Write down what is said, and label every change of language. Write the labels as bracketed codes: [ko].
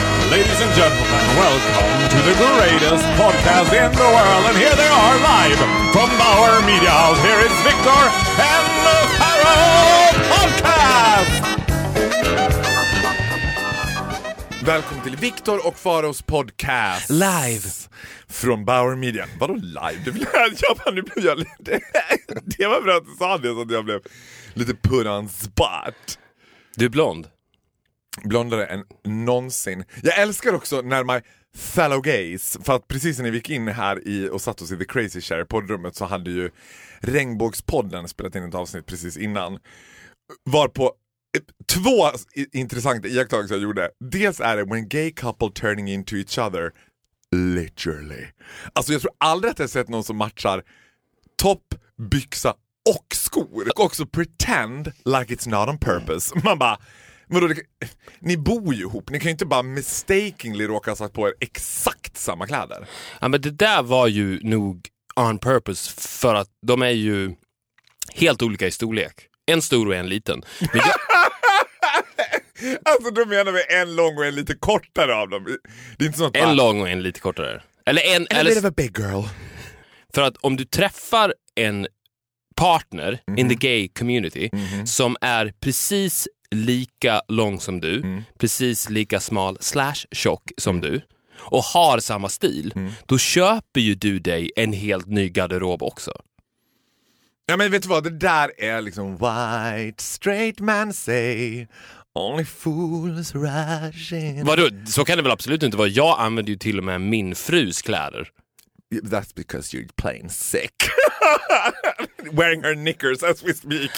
[en] Ladies and gentlemen, welcome to the greatest podcast in the world. And here they are live from Bauer Media House. Here is Victor and the Pharaoh Podcast! [sv] Välkommen till Victor och Faros podcast. Live. Från Bauer Media. Vadå live? Det blev, nu blev jag lite... Det var bra att du sa det så att jag blev lite [en] put on spot. [sv] Du är blond. Blondare än någonsin. Jag älskar också när [en] my fellow gays, [sv] för att precis när vi gick in här i och satt oss i The Crazy Chair poddrummet så hade ju Regnbågspodden spelat in ett avsnitt precis innan. Varpå två intressanta iakttagelser jag gjorde. Dels är det [en] when gay couple turning into each other, literally. [sv] Alltså jag tror aldrig att jag sett någon som matchar topp, byxa och skor. Och också [en] pretend like it's not on purpose. [sv] Man bara, men då, ni bor ju ihop, ni kan ju inte bara mistakenly råka satt på er exakt samma kläder. Ja, men det där var ju nog [en] on purpose, [sv] för att de är ju helt olika i storlek. En stor och en liten. Men jag... Alltså då menar vi en lång och en lite kortare av dem. Det är inte sånt. En lång och en lite kortare. Eller en eller [en] bit of a big girl. [sv] För att om du träffar en partner [en] in the gay community [sv] som är precis lika lång som du, precis lika smal slash tjock som du och har samma stil, då köper ju du dig en helt ny garderob också. Ja, men vet du vad, det där är liksom [en] white straight man say only fools rush in. [sv] Vadå, så kan det väl absolut inte vara. Jag använder ju till och med min frus kläder. [en] That's because you're plain sick. Wearing her knickers as we speak.